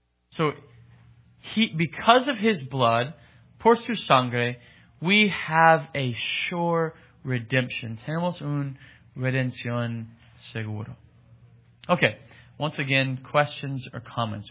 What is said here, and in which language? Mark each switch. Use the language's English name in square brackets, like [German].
[English] So, because of his blood, [Spanish] por su sangre, [English] we have a sure redemption. [Spanish] Tenemos un redención seguro. [English] Okay, once again, questions or comments.